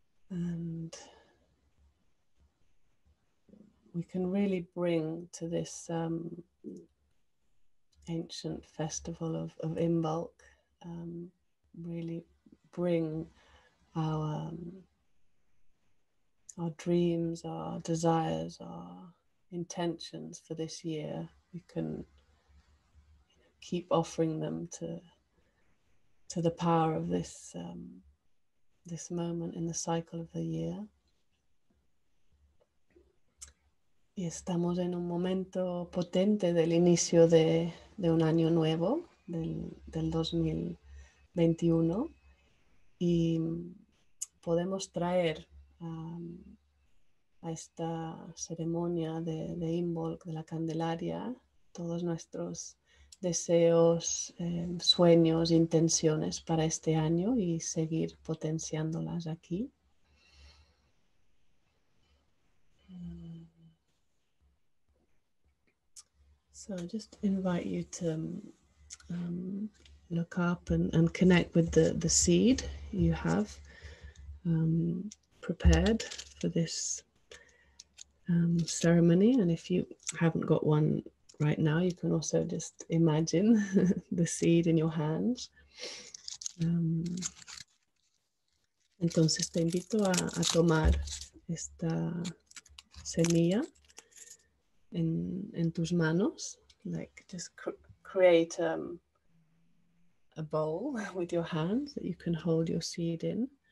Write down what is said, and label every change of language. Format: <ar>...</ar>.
<en>And we can really bring to this ancient festival of Imbolc, really bring our dreams, our desires, our intentions for this year. We can keep offering them to the power of this moment in the cycle of the year.</en> <es>Y estamos en un momento potente del inicio de un año nuevo, del 2021, y podemos traer a esta ceremonia de Imbolc, de la Candelaria, todos nuestros deseos, sueños, intenciones para este año y seguir potenciándolas aquí.</es> <en>So I just invite you to look up and connect with the seed you have prepared for this ceremony. And if you haven't got one right now, you can also just imagine the seed in your hands.</en> <es>Entonces te invito a tomar esta semilla en tus manos.</es> <en>Like just create a bowl with your hands that you can hold your seed in.</en>